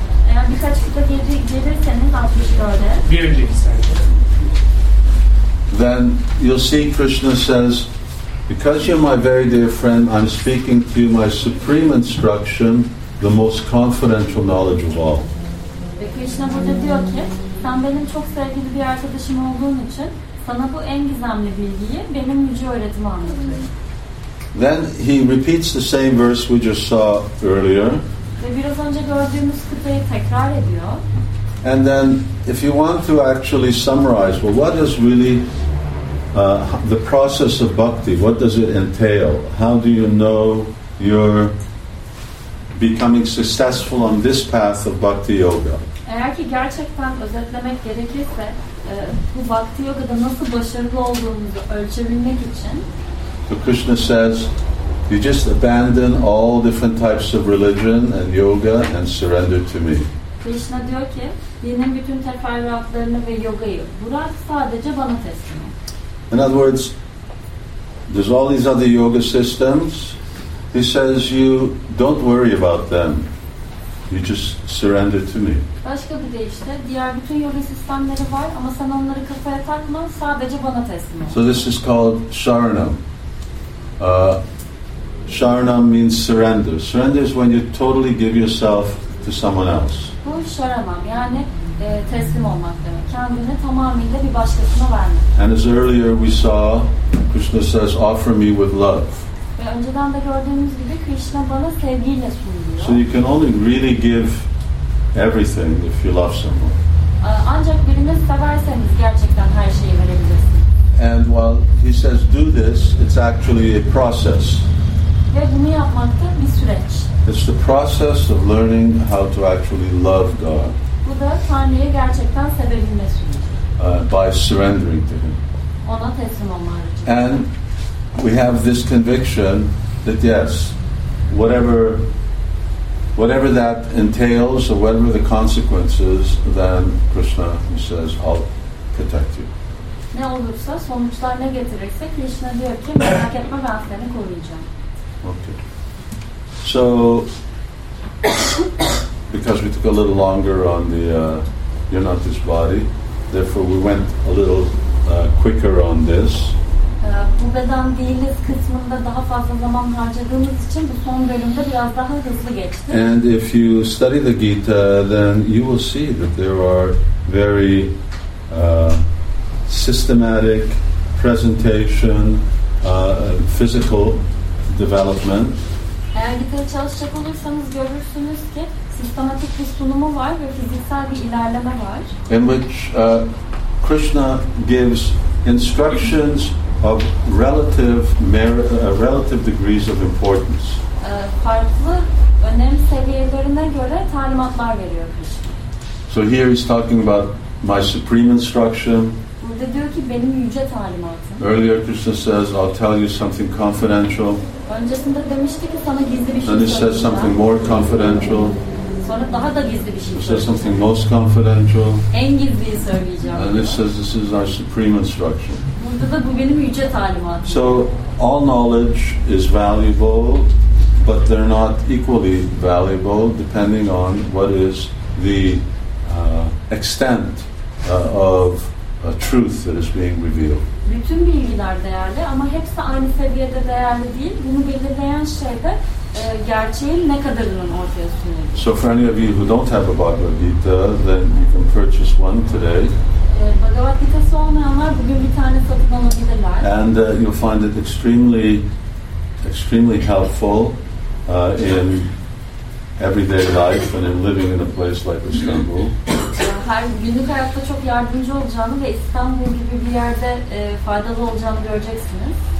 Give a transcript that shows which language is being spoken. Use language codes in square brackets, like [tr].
[tr] Eğer birkaç kıta gelirseniz 64'e. Bir önceki sayfa. [en] Then you'll see Krishna says, because you're my very dear friend, I'm speaking to you my supreme instruction, the most confidential knowledge of all. [tr] Krishna burada diyor ki, sen benim çok sevgili bir arkadaşım olduğun için Sana bu en gizemli bilgiyi benim yüce öğretimi anlatıyor. [en] Then he repeats the same verse we just saw earlier. [tr] Ve biraz önce gördüğümüz kıtayı tekrar ediyor. [en] And then if you want to actually summarize, well, what is really the process of bhakti? What does it entail? How do you know you're becoming successful on this path of bhakti yoga? [tr] Eğer ki gerçekten özetlemek gerekirse, bu bhakti yoga'da nasıl başarılı olduğumuzu ölçebilmek için, [en] so Krishna says, you just abandon all different types of religion and yoga and surrender to me. [tr] Krishna diyor ki, dinin bütün teferruatlarını ve yogayı bırak, sadece bana teslim ol. [en] In other words, there's all these other yoga systems. He says, you don't worry about them. You just surrender to me. [tr] Başka bir deyişle, diğer bütün yoga sistemleri var ama sen onları kafaya takma, sadece bana teslim ol. [en] So this is called sharanam. Sharanam means surrender. Surrender is when you totally give yourself to someone else. [tr] Bu sharanam, yani teslim olmak demek. Kendini tamamıyla bir başkasına vermek. [en] And as earlier we saw, Krishna says, offer me with love. [tr] Ve önceden de gördüğümüz gibi Krishna bana sevgiyle sunuyor. [en] So you can only really give everything if you love someone. [tr] Ancak birini severseniz gerçekten her şeyi verebilirsiniz. [en] And while he says do this, it's actually a process. [tr] Ve bunu yapmak da bir süreç. [en] It's the process of learning how to actually love God. [tr] Bu da Tanrı'yı gerçekten sevebilme süreci. [en] By surrendering to him. [tr] Ona teslim olmak. [en] And we have this conviction that yes, whatever that entails or whatever the consequences, then Krishna says, I'll protect you. [tr] Ne olursa, sonuçlar ne getirirse Krishna diyor ki, merak etme, ben seni koruyacağım. [en] Okay. So, because we took a little longer on the Yonatis body, therefore we went a little quicker on this. [tr] Bu beden değiliz kısmında daha fazla zaman harcadığımız için bu son bölümde biraz daha hızlı geçti. [en] And if you study the Gita, then you will see that there are very systematic presentation, physical development. [tr] Eğer Gita'yı çalışacak olursanız görürsünüz ki sistematik bir sunumu var ve fiziksel bir ilerleme var. [en] In which Krishna gives instructions of relative merit, relative degrees of importance. [tr] Farklı önem seviyelerine göre talimatlar veriyor Krishna. [en] So here he's talking about my supreme instruction. [tr] Burada diyor ki benim yüce talimatım. [en] Earlier Krishna says, I'll tell you something confidential. [tr] Öncesinde demişti ki sana gizli bir şey. [en] Then he says something more confidential. [tr] Sonra daha da gizli bir şey. [en] He says something most confidential. [tr] En gizliyi söyleyeceğim. [en] And he says, this is our supreme instruction. [tr] Burada da bu benim yüce talimatım. [en] So all knowledge is valuable, but they're not equally valuable depending on what is the extent of a truth that is being revealed. [tr] Bütün bilgiler değerli ama hepsi aynı seviyede değerli değil. Bunu belirleyen şey de gerçeğin ne kadarının ortaya sunulması. [en] So for any of you who don't have a Bhagavad Gita, then you can purchase one today. [tr] Bhagavad Gita'sı olmayanlar bugün bir tane satın alabilirler. [en] And you'll find it extremely, extremely helpful in everyday life and in living in a place like Istanbul. [tr] Her günlük hayatta çok yardımcı olacağını ve İstanbul gibi bir yerde faydalı olacağını göreceksiniz.